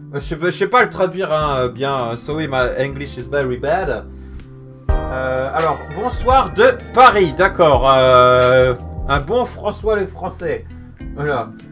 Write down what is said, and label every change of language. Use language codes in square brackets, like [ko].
[fr] Je sais pas le traduire hein, bien. [en] Sorry, my English is very bad. [fr] Alors, bonsoir de Paris, d'accord. Un bon François le Français. Voilà.